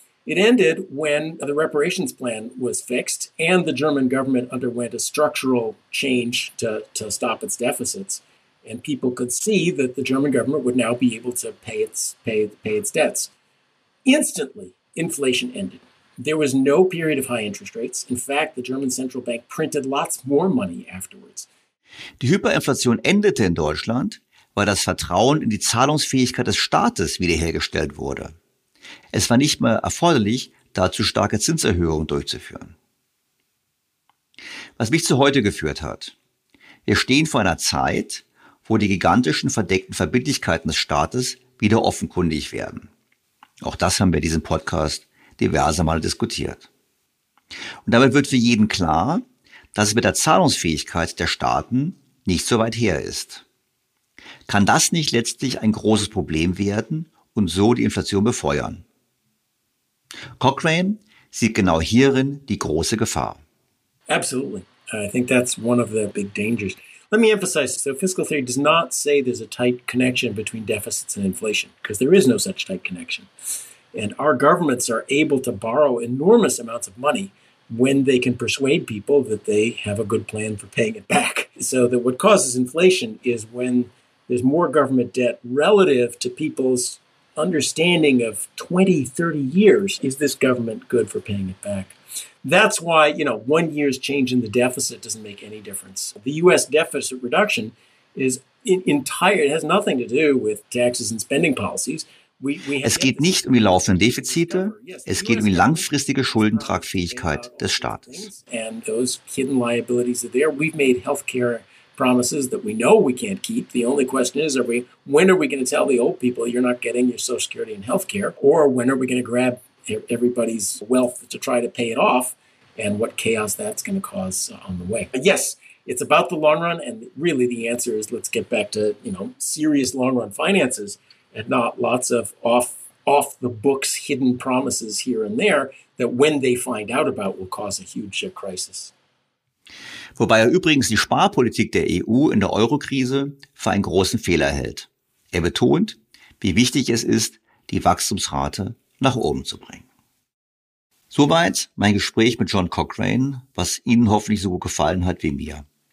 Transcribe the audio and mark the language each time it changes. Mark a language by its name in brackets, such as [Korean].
[English] It ended when the reparations plan was fixed and the German government underwent a structural change to stop its deficits. And people could see that the German government would now be able to pay its debts. Instantly, inflation ended. There was no period of high interest rates. In fact, the German central bank printed lots more money afterwards. [German] Die Hyperinflation endete in Deutschland, weil das Vertrauen in die Zahlungsfähigkeit des Staates wiederhergestellt wurde. Es war nicht mehr erforderlich, dazu starke Zinserhöhungen durchzuführen. Was mich zu heute geführt hat: Wir stehen vor einer Zeit, wo die gigantischen verdeckten Verbindlichkeiten des Staates wieder offenkundig werden. Auch das haben wir in diesem Podcast diverse Male diskutiert. Und damit wird für jeden klar, dass es mit der Zahlungsfähigkeit der Staaten nicht so weit her ist. Kann das nicht letztlich ein großes Problem werden und so die Inflation befeuern? Cochrane sieht genau hierin die große Gefahr. [English] Absolutely. I think that's one of the big dangers. Let me emphasize, so fiscal theory does not say there's a tight connection between deficits and inflation, because there is no such tight connection. And our governments are able to borrow enormous amounts of money when they can persuade people that they have a good plan for paying it back. So that what causes inflation is when there's more government debt relative to people's understanding of 20, 30 years, is this government good for paying it back? That's why, you know, 1 year's change in the deficit doesn't make any difference. The U.S. deficit reduction is entire, it has nothing to do with taxes and spending policies. [German] Es geht nicht um die laufenden Defizite, es geht um die langfristige Schuldentragfähigkeit des Staates. [English] And those hidden liabilities are there. We've made healthcare promises that we know we can't keep. The only question is, when are we going to tell the old people you're not getting your Social Security and healthcare? Or when are we going to grab everybody's wealth to try to pay it off, and what chaos that's going to cause on the way. But yes, it's about the long run, and really the answer is let's get back to, you know, serious long run finances and not lots of off the books hidden promises here and there that when they find out about will cause a huge crisis. [German] Wobei er übrigens die Sparpolitik der EU in der Eurokrise für einen großen Fehler hält. Er betont, wie wichtig es ist, die Wachstumsrate nach oben zu bringen. Soweit mein Gespräch mit John Cochrane, was Ihnen hoffentlich so gut gefallen hat wie mir.